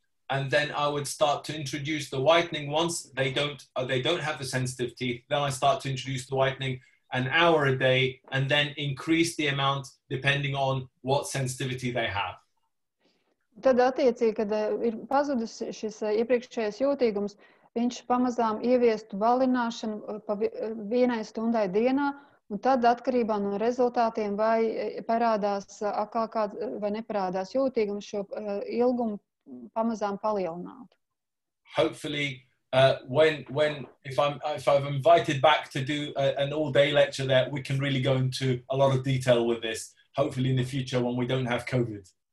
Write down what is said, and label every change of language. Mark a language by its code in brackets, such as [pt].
[en] And then I would start to introduce the whitening once they don't have the sensitive teeth. Then I start to introduce the whitening an hour a day, and then increase the amount depending on what sensitivity they have. [lv] Tad attiecīgi, kad ir pazudis šis iepriekšējais jūtīgums, viņš pamazām ieviestu valināšanu pa vienai stundai dienā, un tad atkarībā no rezultātiem vai parādās atkal kāds, vai neparādās jūtīgums, šo ilgumu pamazām palielinātu. [en] Hopefully, if I'm invited back to do an all-day lecture there, we can really go into a lot of detail with this. Hopefully in the future when we don't have COVID.